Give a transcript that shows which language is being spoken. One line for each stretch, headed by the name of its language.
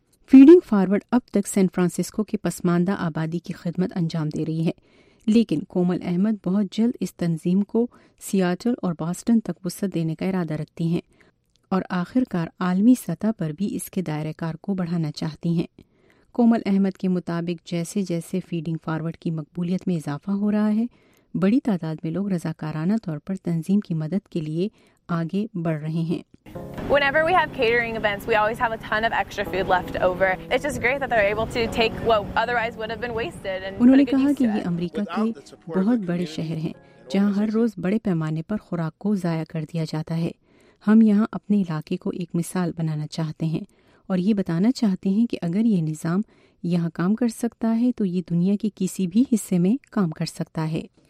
Urdu: Feeding forward اب تک San Francisco کے پسماندہ آبادی کی خدمت انجام دے رہی ہے, لیکن کومل احمد بہت جلد اس تنظیم کو سیاٹل اور باسٹن تک وسعت دینے کا ارادہ رکھتی ہیں اور آخر کار عالمی سطح پر بھی اس کے دائرہ کار کو بڑھانا چاہتی ہیں. کومل احمد کے مطابق, جیسے جیسے فیڈنگ فارورڈ کی مقبولیت میں اضافہ ہو رہا ہے, بڑی تعداد میں لوگ رضاکارانہ طور پر تنظیم کی مدد کے لیے آگے بڑھ رہے ہیں.
English: Whenever we have catering events, we always have a ton of extra food left over. It's just great that they're able to take what otherwise would have been wasted.
Urdu: انہوں نے کہا کہ یہ امریکہ کے بہت بڑے شہر ہیں جہاں ہر روز بڑے پیمانے پر خوراک کو ضائع کر دیا جاتا ہے. ہم یہاں اپنے علاقے کو ایک مثال بنانا چاہتے ہیں اور یہ بتانا چاہتے ہیں کہ اگر یہ نظام یہاں کام کر سکتا ہے تو یہ دنیا کے کسی بھی حصے میں کام کر سکتا ہے.